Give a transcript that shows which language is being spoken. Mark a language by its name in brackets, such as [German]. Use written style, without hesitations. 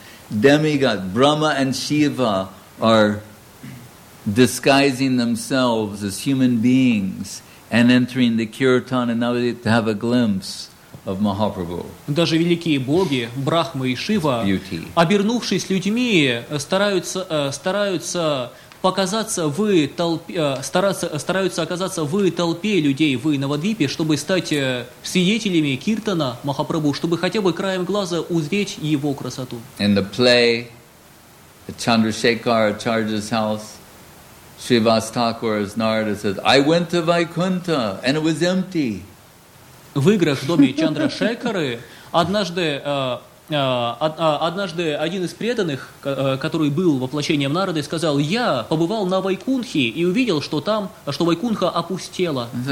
[English] Demigod, Brahma and Shiva are disguising themselves as human beings and entering the kirtan and Navadvip to have a glimpse of Mahaprabhu. [Russian] Даже великие боги Брахма и Шива, обернувшись людьми, стараются показаться в толпе, стараются оказаться в толпе людей в Навадвипе, чтобы стать свидетелями киртана Махапрабху, чтобы хотя бы краем глаза узреть его красоту. [English] In the play, at Chandrasekhar Acharya's house, Srivas Thakur as Narada says, I went to Vaikuntha, and it was empty. [Russian] В играх в доме Чандрашекары однажды один из преданных, который был воплощением Нарады, сказал: «Я побывал на Вайкунхе и увидел, что там, что Вайкунха опустела».